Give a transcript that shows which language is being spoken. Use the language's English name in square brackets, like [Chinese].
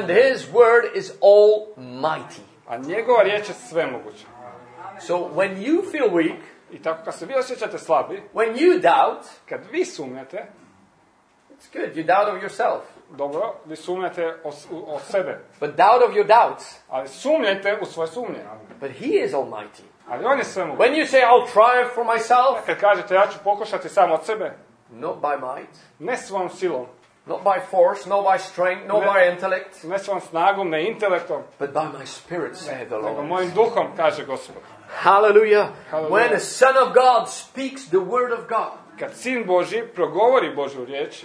[English] And his word is almighty. [Croatian] A njegova riječ je svemoguća. [English] So when you feel weak, [Croatian] i tako kad se vi osjećate slabi, [English] when you doubt, [Croatian] kad vi sumnjate, [English] it's good, you doubt of yourself. [Croatian] Dobro, vi sumnjate o sebe. [English] But doubt of your doubts. [Croatian] Ali sumnjate u svoje sumnje. [English] But he is almighty. [Croatian] Ali on je svemoguć. [English] When you say, I'll try for myself, [Croatian] kad kažete, ja ću pokušati sam od sebe, [English] not by might, [Croatian] ne svojom silom, [English] not by force, not by strength, not by intellect, [Croatian] ne svojom snagom, ne intelektom, [English] but by my spirit, saith the Lord. [Croatian] Nego mojim duhom, kaže Gospod. Hallelujah. Hallelujah. [English] When a son of God speaks the word of God. [Croatian] Kad sin Boži progovori Božju riječ.